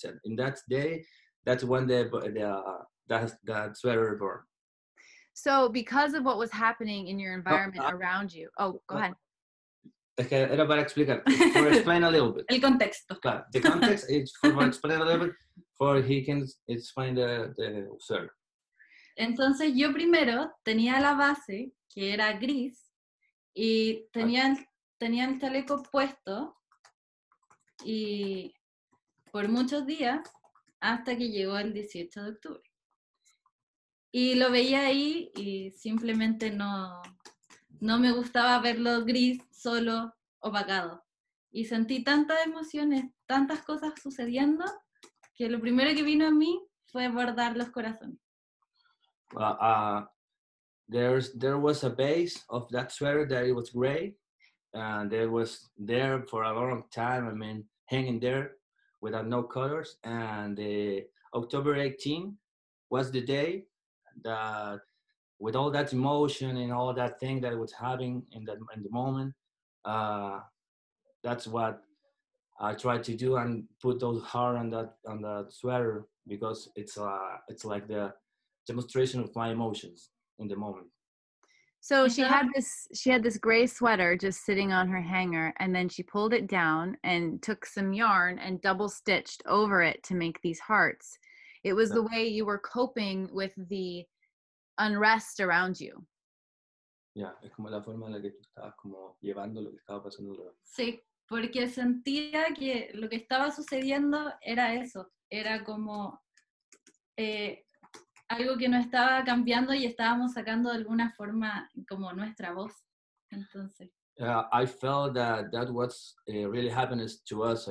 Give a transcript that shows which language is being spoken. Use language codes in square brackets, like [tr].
[en] And in that day, that's when that sweater was born. So because of what was happening in your environment around you. Oh, go ahead. [es] Es que era para explicar, [en] for explain a little bit. [es] El contexto. Claro, [en] the context is for explain a little bit, for he can explain the sweater. [es] Entonces yo primero tenía la base, que era gris, y tenía el chaleco puesto, y por muchos días, hasta que llegó el 18 de octubre. Y lo veía ahí y simplemente no me gustaba verlo gris, solo, opacado. Y sentí tantas emociones, tantas cosas sucediendo, que lo primero que vino a mí fue bordar los corazones. [en] There was a base of that sweater that it was gray. There was there for a long time, I mean, hanging there without no colors. And October 18 was the day that with all that emotion and all that thing that I was having in the moment, that's what I tried to do and put those heart on that sweater because it's like the demonstration of my emotions in the moment. So she had this gray sweater just sitting on her hanger, and then she pulled it down and took some yarn and double stitched over it to make these hearts. It was the way you were coping with the unrest around you. [es] Yeah, es como la forma en la que tú estabas como llevando lo que estaba pasando. Sí, porque sentía que lo que estaba sucediendo era eso, era como algo que no estaba cambiando y estábamos sacando de alguna forma como nuestra voz. Entonces. [en] I felt that was really happening to us.